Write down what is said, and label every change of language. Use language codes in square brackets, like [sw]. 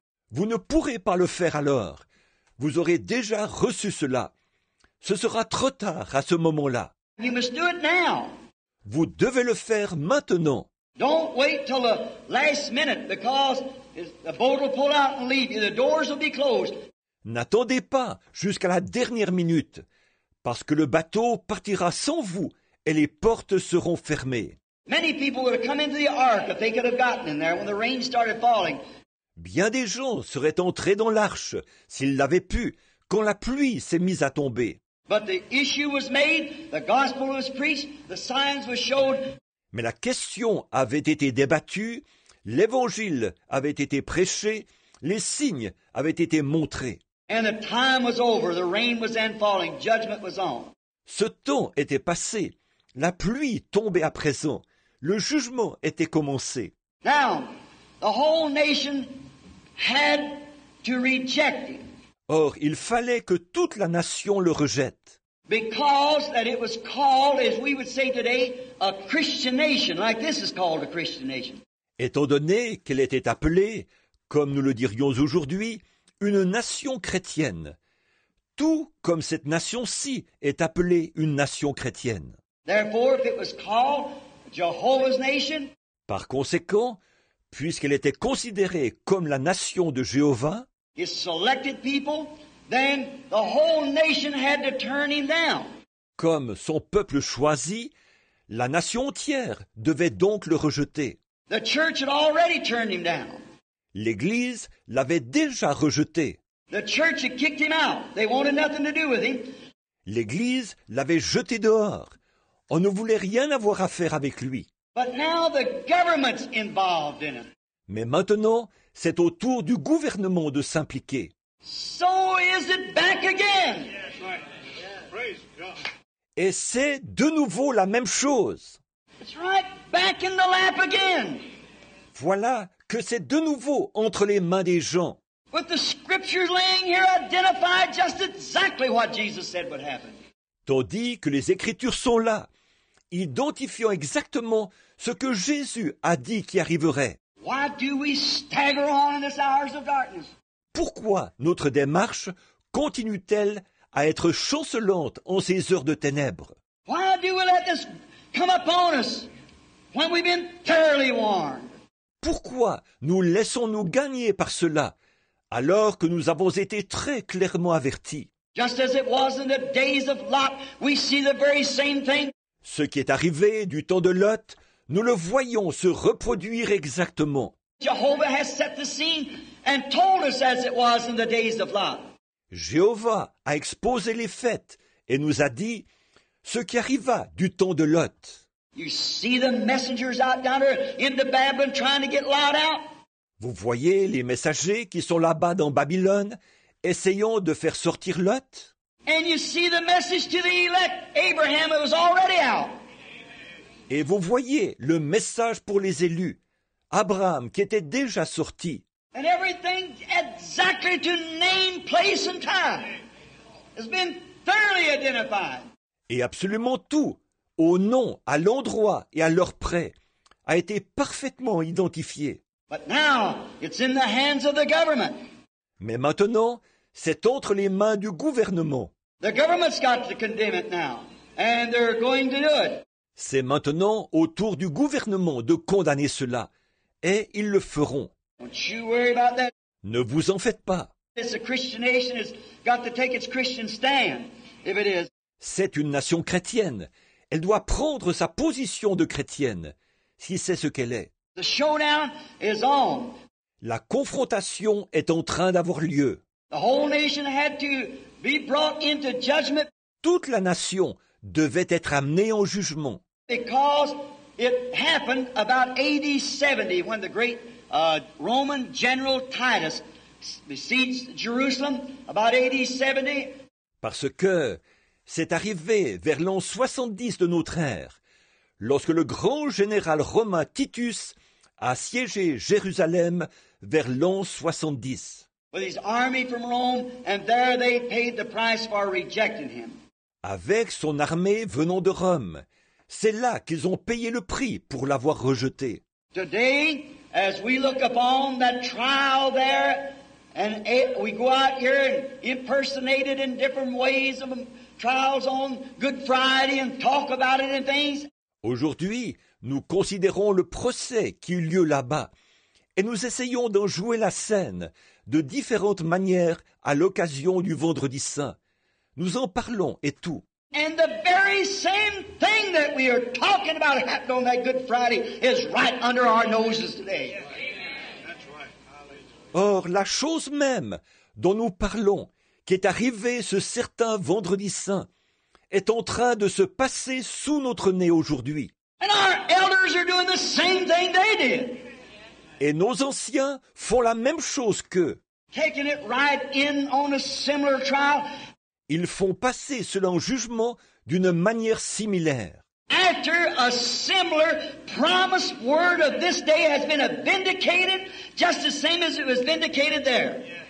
[fr] Vous ne pourrez pas le faire alors. Vous aurez déjà reçu cela. Ce sera trop tard à ce moment-là. [en] You must do it now. [fr] Vous devez le faire maintenant. [en] Don't wait till the last minute because the boat will pull out and leave you. The doors will be closed. [fr] N'attendez pas jusqu'à la dernière minute, parce que le bateau partira sans vous et les portes seront fermées. [en] Many people would have come into the ark if they could have gotten in there when the rain started falling. [fr] Bien des gens seraient entrés dans l'arche s'ils l'avaient pu quand la pluie s'est mise à tomber. [en] But the issue was made, the gospel was preached, the signs were showed. [fr] Mais la question avait été débattue, l'évangile avait été prêché, les signes avaient été montrés. [en] And the time was over, the rain was then falling, judgment was on. [fr] Ce temps était passé. La pluie tombait à présent. Le jugement était commencé. [en] Now, the whole nation had to reject him. [fr] Or, il fallait que toute la nation le rejette. [en] Because that it was called, as we would say today, a Christian nation, like this is called a Christian nation. [fr] Étant donné qu'elle était appelée, comme nous le dirions aujourd'hui, une nation chrétienne. Tout comme cette nation-ci est appelée une nation chrétienne. [en] Therefore, if it was called Jehovah's nation, [fr] par conséquent, puisqu'elle était considérée comme la nation de Jéhovah, [en] his selected people, then the whole nation had to turn him down. [fr] Comme son peuple choisi, la nation entière devait donc le rejeter. [en] The church had already turned him down. [fr] L'Église l'avait déjà rejeté. [en] The church had kicked him out. They wanted nothing to do with him. [fr] L'Église l'avait jeté dehors. On ne voulait rien avoir à faire avec lui. [en] But now the government's involved in it. [fr] Mais maintenant, c'est au tour du gouvernement de s'impliquer. [en] So is it back again. [fr] Et c'est de nouveau la même chose. [en] It's right back in the lap again. [fr] Voilà que c'est de nouveau entre les mains des gens. [en] With the scriptures laying here identify just exactly what Jesus said would happen. [fr] Tandis que les Écritures sont là, identifiant exactement ce que Jésus a dit qui arriverait. [en] Why do we stagger on in this hours of darkness? [fr] Pourquoi notre démarche continue-t-elle à être chancelante en ces heures de ténèbres? [en] Why do we let this come upon us when we've been thoroughly warned? [fr] Pourquoi nous laissons-nous gagner par cela alors que nous avons été très clairement avertis? [en] Just as it was in the days of Lot, we see the very same thing. [fr] Ce qui est arrivé du temps de Lot, nous le voyons se reproduire exactement. [en] Jehovah has set the scene and told us as it was in the days of Lot. [fr] Jéhovah a exposé les faits et nous a dit ce qui arriva du temps de Lot. [en] You see the messengers out down there in the Babylon trying to get Lot out. [fr] Vous voyez les messagers qui sont là-bas dans Babylone essayant de faire sortir Lot. [en] And you see the message to the elect, Abraham, it was already out. [fr] Et vous voyez le message pour les élus, Abraham, qui était déjà sorti. [en] And everything exactly to name, place and time has been thoroughly identified. [fr] Et absolument tout, au nom, à l'endroit et à l'heure près, a été parfaitement identifié. [en] But now, it's in the hands of the government. [fr] Mais maintenant, c'est entre les mains du gouvernement. [en] The government's got to condemn it now, and they're going to do it. [fr] C'est maintenant au tour du gouvernement de condamner cela, et ils le feront. [en] Don't you worry about that. [fr] Ne vous en faites pas. [en] It's a Christian nation, it's got to take its Christian stand, if it is. [fr] C'est une nation chrétienne. Elle doit prendre sa position de chrétienne, si c'est ce qu'elle est. [en] The showdown is on. [fr] La confrontation est en train d'avoir lieu. [en] The whole nation had to be brought into judgment. [fr] Toute la nation devait être amenée en jugement. [en] Because it happened about AD 70 when the great Roman general Titus besieged Jerusalem about AD 70. [fr] Parce que c'est arrivé vers l'an 70 de notre ère, lorsque le grand général romain Titus a siégé Jérusalem vers l'an 70. [en] With his army from Rome, and there they paid the price for rejecting him. [fr] Avec son armée venant de Rome, c'est là qu'ils ont payé le prix pour l'avoir rejeté. [en] Today, as we look upon that trial there, and we go out here and impersonate it in different ways of trials on Good Friday and talk about it and things. [fr] Aujourd'hui, nous considérons le procès qui eut lieu là-bas et nous essayons d'en jouer la scène de différentes manières à l'occasion du Vendredi Saint. Nous en parlons et tout. [en] And the very same thing that we are talking about happened on that Good Friday is right under our noses today. [fr] Or, la chose même dont nous parlons, qui est arrivée ce certain Vendredi Saint, est en train de se passer sous notre nez aujourd'hui. [en] And our elders are doing the same thing they did. [fr] Et nos anciens font la même chose qu'eux. [en] Taking it right in on a similar trial. [fr] Ils font passer cela en jugement d'une manière similaire. [en] After a similar promised word of this day has been vindicated, just the same as it was vindicated there.